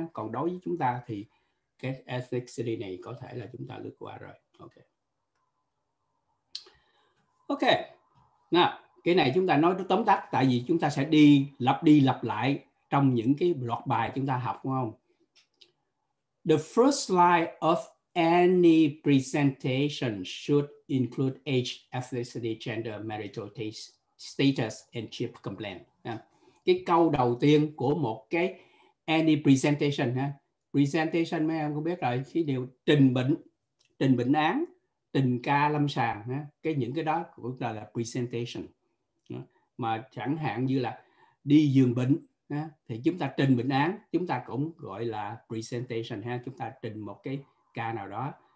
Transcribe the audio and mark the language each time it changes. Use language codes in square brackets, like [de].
[vi] Còn đối với chúng ta thì cái ethnicity này có thể là chúng ta lướt qua rồi. Ok. Nào, cái này chúng ta nói tóm tắt, tại vì chúng ta sẽ đi lặp lại trong những cái loạt bài chúng ta học, đúng không? [en] The first line of any presentation should include age, ethnicity, gender, marital status and chief complaint. [vi] Cái câu đầu tiên của một cái [en] any presentation, [vi] presentation mấy em cũng biết rồi, khi điều trình bệnh án, trình ca lâm sàng, cái những cái đó cũng là presentation. Mà chẳng hạn như là đi giường bệnh thì chúng ta trình bệnh án, chúng ta cũng gọi là presentation, ha, chúng ta trình một cái ca nào đó.